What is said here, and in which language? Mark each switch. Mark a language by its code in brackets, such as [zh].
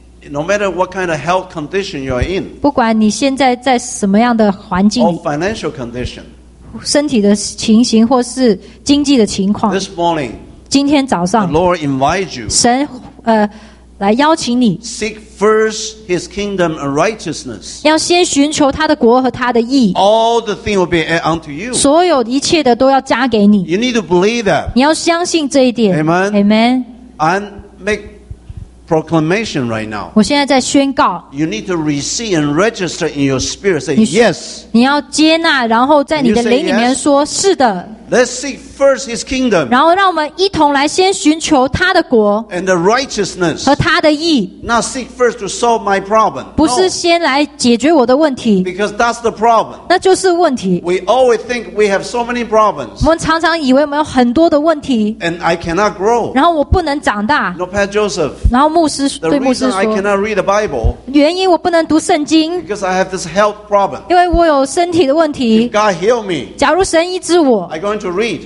[en] No matter what kind of health condition you're in. [zh] 不管你现在在什么样的环境。 [en] Or financial condition. [zh] 身体的情形或是经济的情况。 [en] This morning. [zh] 今天早上。 [en] The Lord invites you. [zh] 神来邀请你。 [en] Seek first His kingdom and righteousness. [zh] 要先寻求他的国和他的义。 [en] All the things will be added unto you. [zh] 所有一切的都要加给你。 [en] You need to believe that. [zh] 你要相信这一点。 [en] Amen. Amen. And make proclamation right now. [zh] 我现在在宣告。 [en] You need to receive and register in your spirit. Say yes. [zh] 你要接纳，然后在你的灵里面说是的。 [en] Let's seek first His kingdom. [zh] 然后让我们一同来先寻求他的国。 [en] And the righteousness. [zh] 和他的义。 [en] Not seek first to solve my problem. [zh] 不是先来解决我的问题。 [en] Because that's the problem. [zh] 那就是问题。 [en] We always think we have so many problems. [zh] 我们常常以为我们有很多的问题。 [en] And I cannot grow. [zh] 然后我不能长大。 [en] No, Pastor Joseph. [zh] 然后牧师对牧师说。 [en] The reason I cannot read the Bible. [zh] 原因我不能读圣经。 [en] Because I have this health problem. [zh] 因为我有身体的问题。 [en] If God heal me. [zh] 假如神医治我。 [en] I going to read.